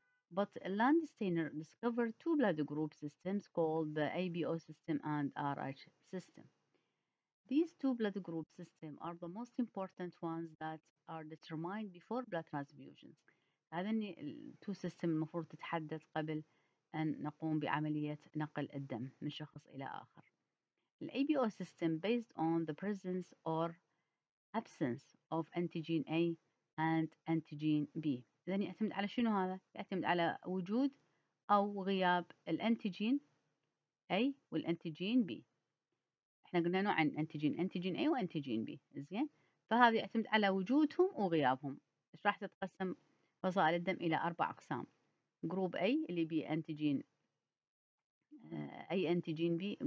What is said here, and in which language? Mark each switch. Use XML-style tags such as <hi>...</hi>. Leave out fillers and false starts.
<en>But Landsteiner discovered two blood group systems called the ABO system and RH system. These two blood group systems are the most important ones that are determined before blood transfusions.</en> <ar>هذين</ar> <en>two systems</en> <ar>المفروض تتحدد قبل أن نقوم بعملية نقل الدم من شخص إلى آخر.</ar> <en>The ABO system based on the presence or absence of antigen A and antigen B.</en> <ar>إذن يعتمد على شنو هذا؟ يعتمد على وجود أو غياب الانتيجين A والانتيجين B. إحنا قلنا نوع عن انتيجين، انتيجين A وانتيجين B. زين؟ فهذا يعتمد على وجودهم وغيابهم. إيش راح تتقسم فصائل الدم إلى أربع أقسام. جروب A اللي بي انتيجين أي انتيجين B.</ar>